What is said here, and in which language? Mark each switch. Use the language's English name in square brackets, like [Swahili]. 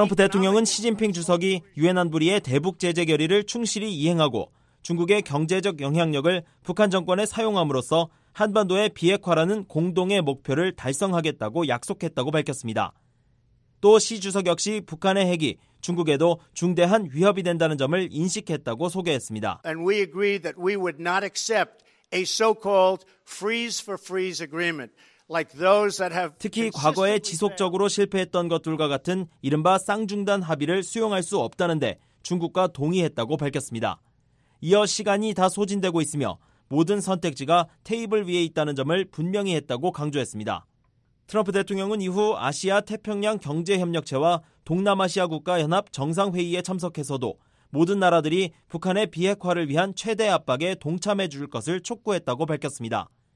[Korean] 트럼프 대통령은 시진핑 주석이 유엔 안보리의 대북 제재 결의를 충실히 이행하고 중국의 경제적 영향력을 북한 정권에 사용함으로써 한반도의 비핵화라는 공동의 목표를 달성하겠다고 약속했다고 밝혔습니다. 또 시 주석 역시 북한의 핵이 중국에도 중대한 위협이 된다는 점을 인식했다고 소개했습니다. [English] And we agreed that we would not accept a so-called freeze for freeze agreement like those that have. [Korean] 특히 과거에 지속적으로 실패했던 것들과 같은 이른바 쌍중단 합의를 수용할 수 없다는데 중국과 동의했다고 밝혔습니다. 이어 시간이 다 소진되고 있으며 모든 선택지가 테이블 위에 있다는 점을 분명히 했다고 강조했습니다. 트럼프 대통령은 이후 아시아 태평양 경제협력체와 동남아시아 국가연합 정상회의에 참석해서도 모든 나라들이 북한의 비핵화를 위한 최대 압박에 동참해 줄 것을 촉구했다고 밝혔습니다.